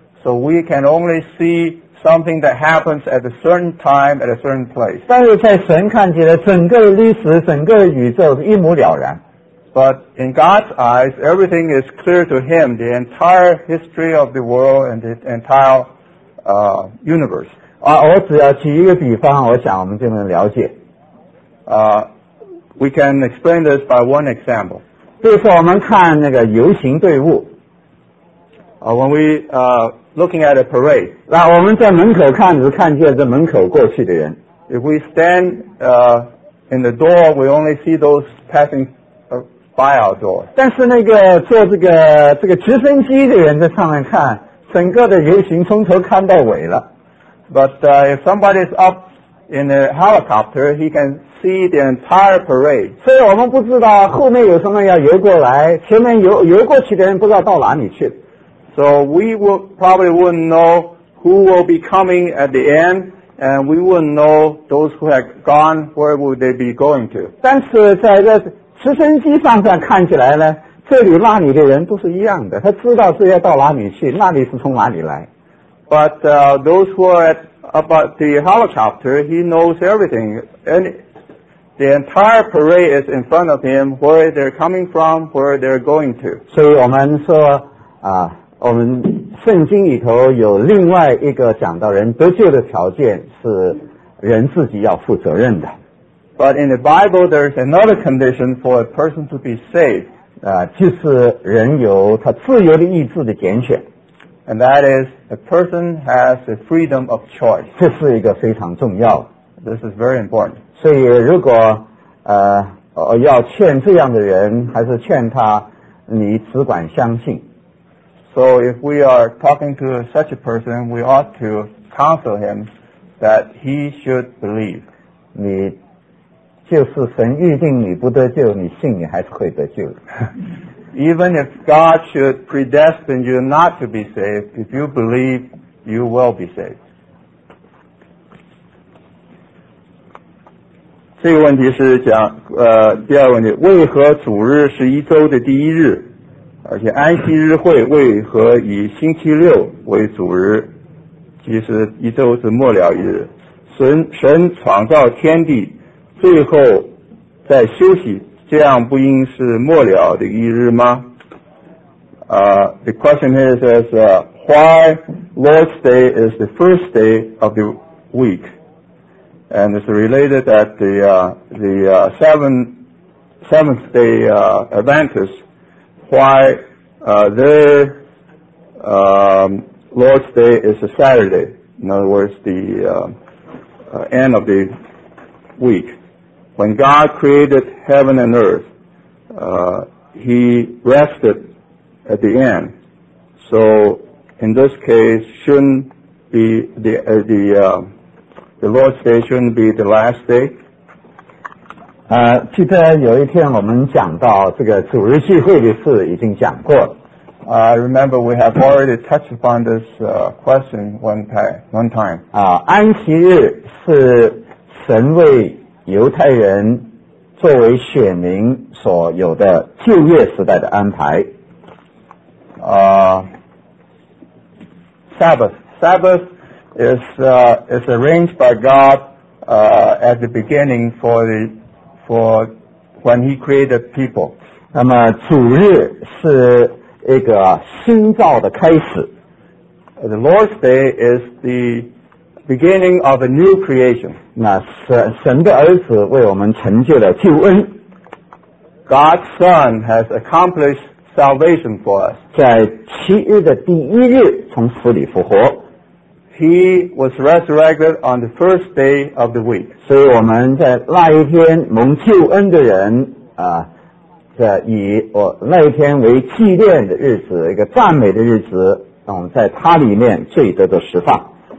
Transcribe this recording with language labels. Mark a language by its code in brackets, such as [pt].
[en] So we can only see. Something that happens at a certain time, at a certain place. [zh] 但是在神看起来，整个历史、整个宇宙一目了然。 [en] But in God's eyes, everything is clear to Him, the entire history of the world and the entire universe. [zh] 我只要举一个比方，我想我们就能了解。 [en] We can explain this by one example. [zh] 就是我们看那个游行队伍。 [en] When we looking at a parade. [zh] 那我们在门口看，只看见这门口过去的人。 [en] If we stand in the door, we only see those passing by our door. [zh] 但是那个坐这个直升机的人在上面看，整个的游行从头看到尾了。 [en] But if somebody is up in a helicopter, he can see the entire parade. [zh] 所以我们不知道后面有什么要游过来，前面游过去的人不知道到哪里去。 [en] So we will, probably wouldn't know who will be coming at the end. And we wouldn't know those who had gone, where would they be going to? [zh] 但是在这直升机上面看起来呢，这里那里的人都是一样的，他知道是要到哪里去，那里是从哪里来。 [en] But those who are at about the helicopter, he knows everything. And the entire parade is in front of him, where they're coming from, where they're going to. [zh] 所以我们说啊，我们圣经里头有另外一个讲到人得救的条件是人自己要负责任的。 [en] But in the Bible, there is another condition for a person to be saved. [zh] 就是人有他自由的意志的拣选。 [en] And that is, a person has a freedom of choice. [zh] 这是一个非常重要。 [en] This is very important. [zh] 所以如果要劝这样的人，还是劝他，你只管相信。 [en] So if we are talking to such a person, we ought to counsel him that he should believe. [zh] 你就是神预定你不得救，你信你还是会得救。 [en] Even if God should predestine you not to be saved, if you believe, you will be saved. [zh] 这个问题是讲第二问题，为何主日是一周的第一日？而且安息日会为何以星期六为主日，即是一周之末了一日。神创造天地最后在休息，这样不应是末了的一日吗？ [en] The question here says, why Lord's Day is the first day of the week? And it's related that the seventh day AdventistWhy their Lord's Day is a Saturday, in other words, the end of the week. When God created heaven and earth, He rested at the end. So, in this case, the Lord's Day shouldn't be the last day? [zh] 记得有一天我们讲到这个主日聚会的事已经讲过了。 [en] I remember we have already touched upon this question one time. [zh] 安息日是神为犹太人作为选民所有的旧约时代的安排。 [en] Sabbath is arranged by God at the beginning for when he created people. [zh] 那么主日是一个新造的开始。 [en] The Lord's Day is the beginning of a new creation. [zh] 那神的儿子为我们成就了救恩。 [en] God's Son has accomplished salvation for us. [zh] 在七日的第一日从死里复活。 [en] He was resurrected on the first day of the week. [zh] 所以我们在那一天蒙救恩的人以那一天为纪念的日子，一个赞美的日子，我们在他里面罪得的释放。